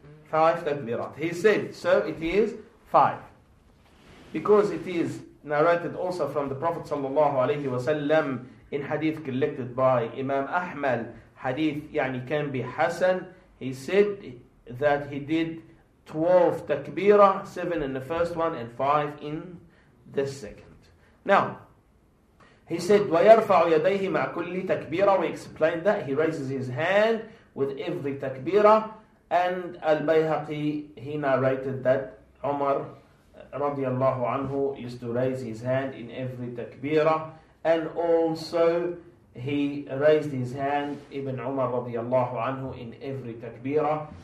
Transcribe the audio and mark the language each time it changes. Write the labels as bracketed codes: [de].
[en] Five takbirat. He said, so it is five. Because it is narrated also from the Prophet sallallahu alayhi wa sallam in hadith collected by Imam Ahmad, hadith يعني can be Hassan. He said that he did 12 takbirah, seven in the first one and five in the second. Now, He said, [ar] وَيَرْفَعُ يَدَيْهِ مَعْ كُلِّ تَكْبِيرًا. [en] We explained that. He raises his hand with every takbira. And Al-Bayhaqi, he narrated that Umar radiallahu anhu used to raise his hand in every takbira. And also, he raised his hand, Ibn Umar radiallahu anhu, in every takbira.